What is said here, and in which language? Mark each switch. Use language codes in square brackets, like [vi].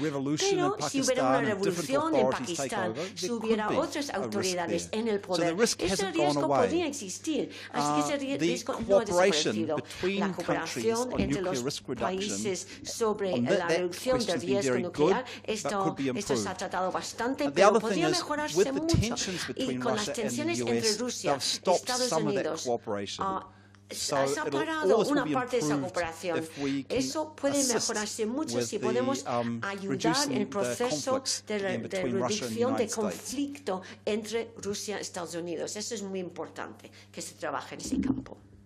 [es] Pero si hubiera una revolución en Pakistán, si hubiera otras autoridades en el poder, ese riesgo podría existir. Así que ese riesgo no ha desaparecido. La cooperación entre los países sobre la reducción del riesgo nuclear, esto se ha tratado bastante, pero podría mejorar. [en] With the tensions between Russia and the US, they've stopped some of that cooperation. [es] Se ha parado una parte de esa cooperación. Eso puede mejorarse mucho si podemos ayudar en el proceso de reducción de conflicto entre Rusia y Estados Unidos. Eso es muy importante, que se trabaje en ese campo.